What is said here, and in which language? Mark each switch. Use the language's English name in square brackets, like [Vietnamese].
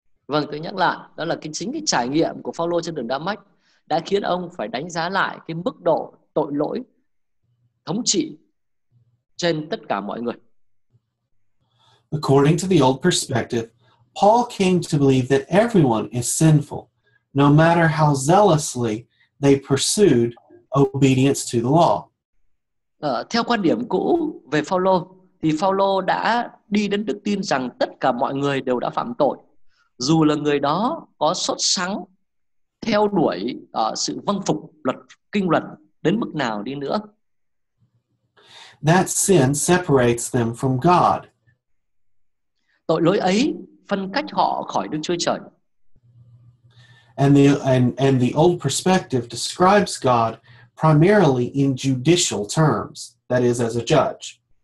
[Vietnamese] Vâng, tôi nhắc lại, đó là chính cái trải nghiệm của Phao-lô trên đường Đa-mách đã khiến ông phải đánh giá lại cái mức độ tội lỗi thống trị trên tất cả mọi người. [English] According to the old perspective, Paul came to believe that everyone is sinful, no matter how zealously they pursued obedience to the law. [Vietnamese] Theo quan điểm cũ về Phao-lô, thì Phao-lô đã đi đến đức tin rằng tất cả mọi người đều đã phạm tội, dù là người đó có sốt sắng theo đuổi sự vâng phục luật kinh luật đến mức nào đi nữa. [English] That sin separates them from God. [Vietnamese] Tội lỗi ấy phân cách họ khỏi Đức Chúa Trời. [English] And the old perspective describes God primarily in judicial terms, that is as a judge.